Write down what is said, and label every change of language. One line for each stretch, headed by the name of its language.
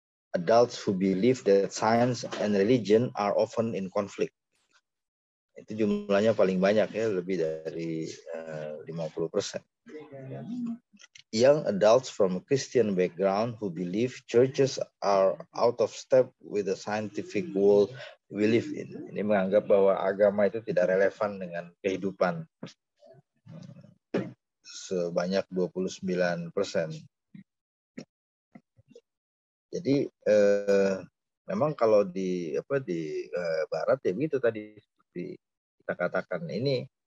English: Adults who believe that science and religion are often in conflict.
Indonesian: Itu jumlahnya paling banyak ya, lebih dari 50%.
English: Young adults from a Christian background who believe churches are out of step with the scientific world we live in.
Indonesian: Ini menganggap bahwa agama itu tidak relevan dengan kehidupan. Sebanyak 29%. Jadi memang kalau di barat ya begitu tadi seperti kita katakan, ini